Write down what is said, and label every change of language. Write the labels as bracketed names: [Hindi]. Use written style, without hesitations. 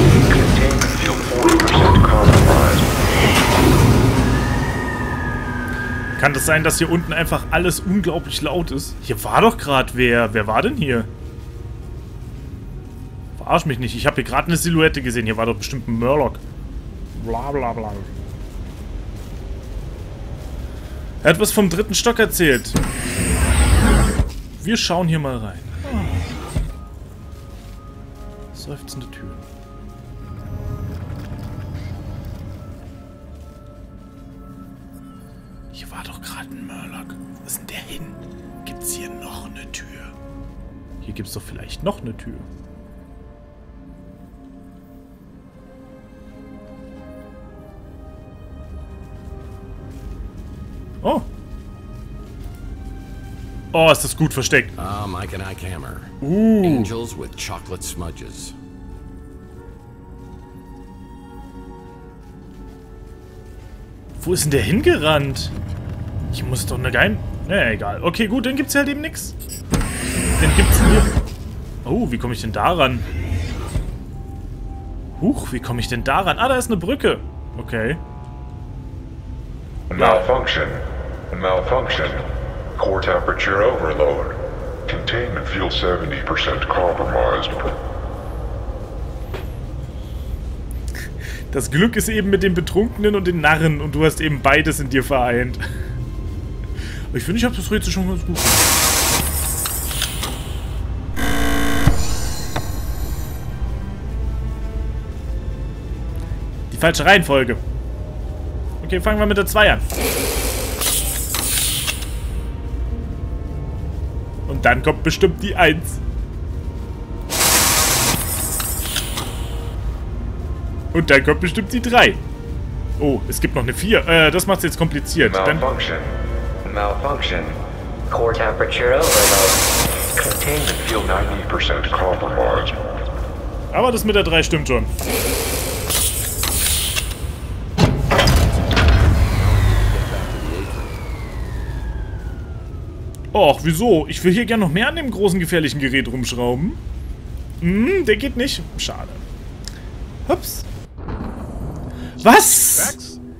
[English] Containment field 40% compromised. [German] Kann das sein, dass hier unten einfach alles unglaublich laut ist? Hier war doch gerade wer. Wer war denn hier? Verarsch mich nicht. Ich habe hier gerade eine Silhouette gesehen. Hier war doch bestimmt ein Murloc. Bla bla bla. Er hat was vom dritten Stock erzählt. Wir schauen hier mal rein. Oh. Seufzende Türen. Hier war doch gerade ein Murloc. Wo ist denn der hin? Gibt's hier noch eine Tür? Hier gibt's doch vielleicht noch eine Tür. Oh. Oh, ist das gut versteckt. [English] Ah, Mike and Ike Hammer. Angels with chocolate smudges. [German] Wo ist denn der hingerannt? Ich muss doch ne Geheim... Naja, egal. Okay, gut, dann gibt's halt eben nix. Dann gibt's hier... Oh, wie komme ich denn daran? Huch, wie komme ich denn daran? Ah, da ist eine Brücke. Okay. [English] Malfunction. Malfunction. Core temperature overload. Containment field 70% compromised. [German] Das Glück ist eben mit den Betrunkenen und den Narren und du hast eben beides in dir vereint. Ich finde, ich habe das Rätsel schon ganz gut. Die falsche Reihenfolge. Okay, fangen wir mit der 2 an. Und dann kommt bestimmt die 1. Und dann kommt bestimmt die 3. Oh, es gibt noch eine 4. Das macht es jetzt kompliziert. [English] Malfunction. Malfunction. Core temperature overload. Contained fuel 90% compromised. [German] Aber das mit der 3 stimmt schon. Och, wieso? Ich will hier gerne noch mehr an dem großen gefährlichen Gerät rumschrauben. Hm, der geht nicht. Schade. Hups. Was?